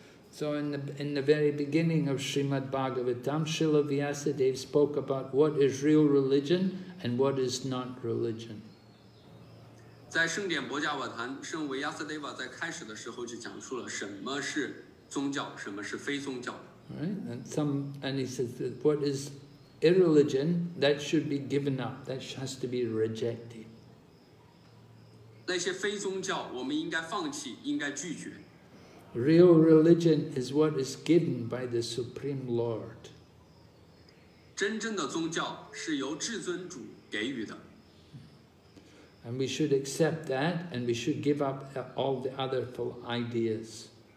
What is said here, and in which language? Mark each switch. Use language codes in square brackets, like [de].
[en] So in the very beginning of Srimad Bhagavatam, Srila Vyasadeva spoke about what is real religion and what is not religion. [zh] 在圣典博迦瓦坛，圣维亚斯德瓦在开始的时候就讲述了什么是宗教，什么是非宗教。 [en] Right, and some, and he says that what is irreligion that should be given up, that has to be rejected. [zh] 那些非宗教，我们应该放弃，应该拒绝。 [en] Real religion is what is given by the Supreme Lord. [zh] 真正的宗教是由至尊主给予的。 [en] And we should accept that, and we should give up all the other full ideas.